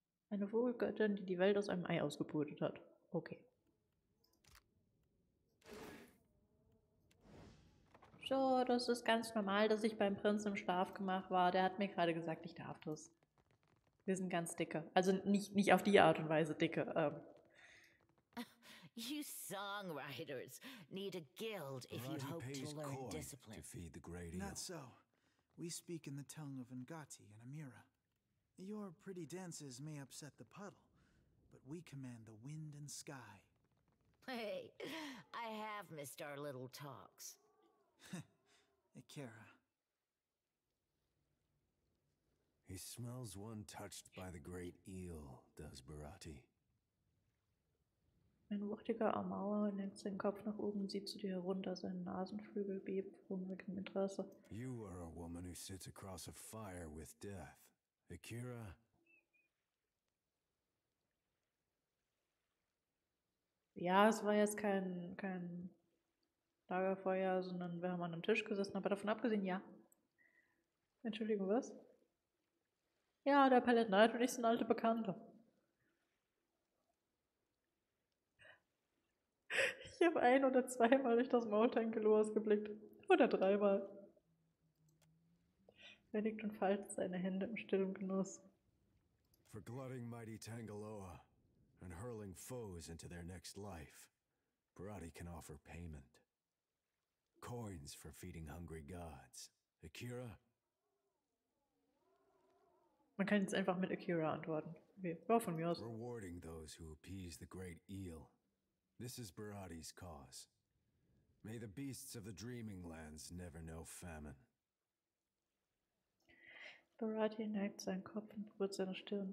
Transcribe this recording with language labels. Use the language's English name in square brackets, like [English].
[German] Eine Vogelgöttin, die die Welt aus einem Ei ausgebrütet hat. Okay. So, das ist ganz normal, dass ich beim Prinz im Schlafgemach war. Der hat mir gerade gesagt, ich darf das. Wir sind ganz dicke. Also nicht auf die Art und Weise dicke. [English] You songwriters need a guild if you hope to learn discipline. To feed the great eel. Not so. We speak in the tongue of Ngati and Amira. Your pretty dances may upset the puddle, but we command the wind and sky. Hey, I have missed our little talks. Ikara. He smells one touched by the great eel, does Barati. [German] Ein wuchtiger Amauer nimmt seinen Kopf nach oben und sieht zu dir herunter. Seine Nasenflügel bebt hungrigem Interesse. [English] You are a woman who sits across a fire with death. Ikara. [German] Ja, es war jetzt kein Lagerfeuer, sondern wir haben an einem Tisch gesessen, aber davon abgesehen, ja. Entschuldigung, was? Ja, der Palette Knight und ich sind alte Bekannte. Ich habe ein- oder zweimal durch das Maultankel geblickt. Oder dreimal. Er liegt und faltet seine Hände im stillen Genuss. [English] For glutting mighty Tangaloa and hurling foes into their next life, Barati can offer payment. Coins for feeding hungry gods. Ikara? Man kann jetzt einfach mit Ikara antworten. Okay. Von mir aus. Rewarding those who appease the great eel. This is Barati's cause. May the beasts of the dreaming lands never know famine. [German] Barati neigt seinen Kopf und berührt seine Stirn.